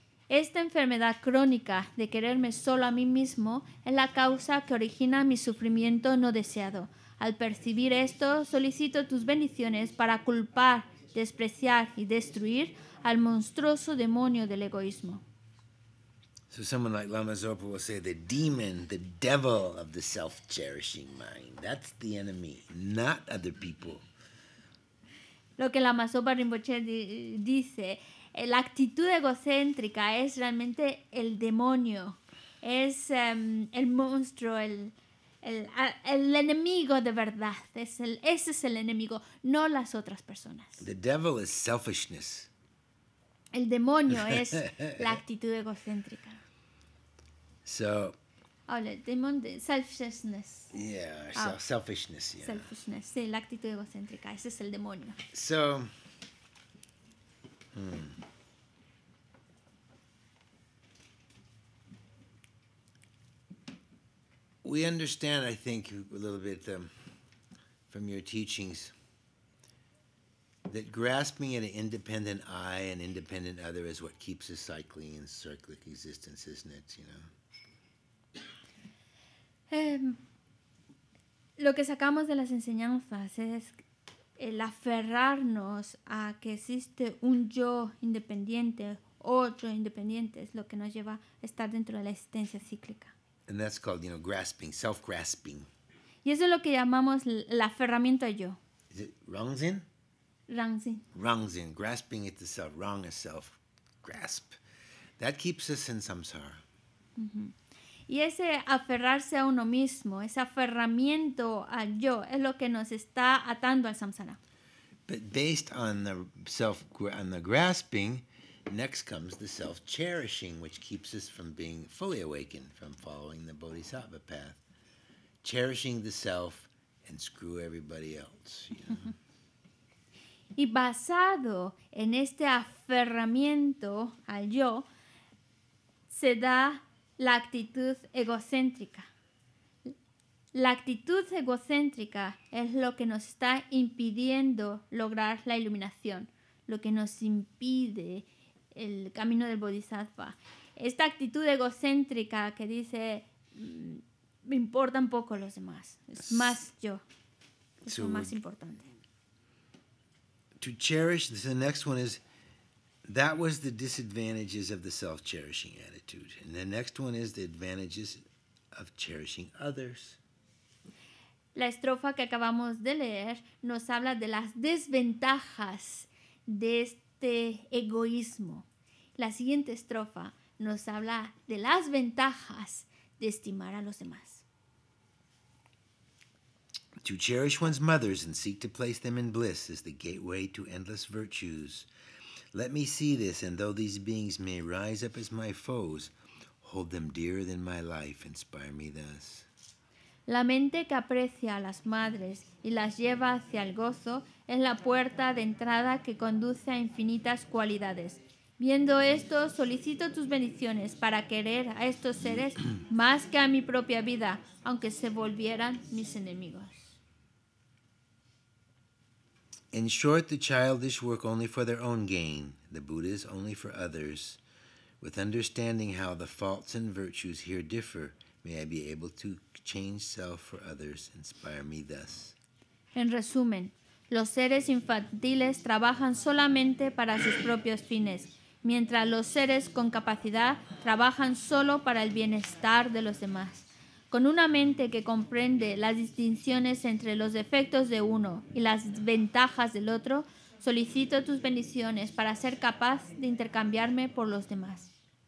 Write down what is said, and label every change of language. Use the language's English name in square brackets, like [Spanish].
[Spanish] Esta enfermedad crónica de quererme solo a mí mismo es la causa que origina mi sufrimiento no deseado. Al percibir esto, solicito tus bendiciones para culpar, despreciar y destruir al monstruoso demonio del egoísmo. [English] So someone like Lama Zopa will say, the demon, the devil of the self-cherishing mind. That's the enemy, not other people. [Spanish] Lo que Lama Zopa Rinpoche dice, la actitud egocéntrica es realmente el demonio, es el monstruo, el enemigo de verdad, ese es el enemigo, no las otras personas. [English] The devil is selfishness. [Spanish] El demonio es la actitud egocéntrica. [English] So. [Spanish] Hola, [English] demon de selfishness. Yeah, selfishness. Yeah. Selfishness, [Spanish] sí, la actitud egocéntrica, ese es el demonio. [English] So. We understand, I think, a little bit from your teachings that grasping at an independent I, an independent other, is what keeps us cycling in cyclic existence, isn't it? You know. [Spanish] Lo que sacamos de las enseñanzas es el aferrarnos a que existe un yo independiente, otro independiente, es lo que nos lleva a estar dentro de la existencia cíclica. [English] And that's called, you know, grasping, self-grasping. [Spanish] Y eso es lo que llamamos el aferramiento a yo. [English] Is it rongzin? Rongzin. Rongzin, grasping at the self, wrong is self, grasp. That keeps us in samsara. [Spanish] Y ese aferrarse a uno mismo, ese aferramiento a yo, es lo que nos está atando al samsara. [English] But based on the self, on the grasping, next comes the self-cherishing, which keeps us from being fully awakened, from following the bodhisattva path. Cherishing the self and screw everybody else, you know. [Spanish] Y basado en este aferramiento al yo, se da la actitud egocéntrica. La actitud egocéntrica es lo que nos está impidiendo lograr la iluminación, lo que nos impide el camino del bodhisattva. Esta actitud egocéntrica que dice me importan poco los demás, es más yo, es lo más importante. [English] To cherish, the next one is, that was the disadvantages of the self-cherishing attitude. And the next one is the advantages of cherishing others. [Spanish] La estrofa que acabamos de leer nos habla de las desventajas de este egoísmo. La siguiente estrofa nos habla de las ventajas de estimar a los demás. [English] To cherish one's mothers and seek to place them in bliss is the gateway to endless virtues. Let me see this, and though these beings may rise up as my foes, hold them dearer than my life, inspire me thus. [Spanish] La mente que aprecia a las madres y las lleva hacia el gozo es la puerta de entrada que conduce a infinitas cualidades. Viendo esto, solicito tus bendiciones para querer a estos seres más que a mi propia vida, aunque se volvieran mis enemigos. [English] In short, the childish work only for their own gain, the Buddhas only for others. With understanding how the faults and virtues here differ, may I be able to change self for others, inspire me thus. [Spanish] En resumen, los seres infantiles trabajan solamente para sus propios fines, mientras los seres con capacidad trabajan solo para el bienestar de los demás. Con una mente que comprende las distinciones entre los defectos de uno y las ventajas del otro, solicito tus bendiciones para ser capaz de intercambiarme por los demás.